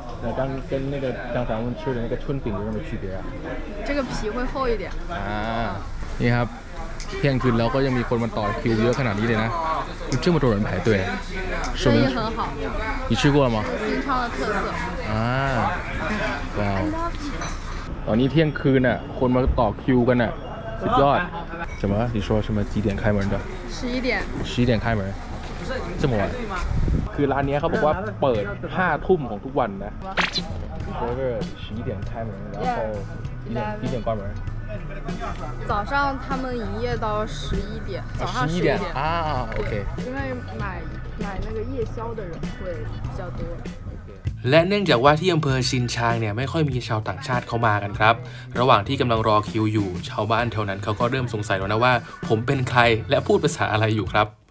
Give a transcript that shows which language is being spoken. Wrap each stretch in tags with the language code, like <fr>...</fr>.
<zh>那刚跟那个刚才我们吃的那个春饼有什么区别啊这个皮会厚一点啊</zh> <th>นี่ครับเที่ยงคืนแล้วก็ยังมีคนมาต่อคิวเยอะขนาดนี้เลยนะมีเจ้าหน้าที่</th> <zh>排队生意很好你吃过了吗平昌的特色啊哇</zh> <th>ตอนนี้เที่ยงคืนน่ะคนมาต่อคิวกันน่ะสุดยอด</th> <zh>什么你说什么几点开门的 11点开门这么晚</zh> <th>คือร้านนี้เขาบอกว่าเปิด5 ทุ่มของทุกวันนะ</th> <zh>burger 11点开门然后几点关门早上他们营业到11点，早上11点啊 ，OK。因为买那个夜宵的人会比较多。</zh> <th>และเนื่องจากว่าที่อำเภอชินชางเนี่ยไม่ค่อยมีชาวต่างชาติเข้ามากันครับระหว่างที่กำลังรอคิวอยู่ชาวบ้านแถวนั้นเขาก็เริ่มสงสัยแล้วนะว่าผมเป็นใครและพูดภาษาอะไรอยู่ครับ</th>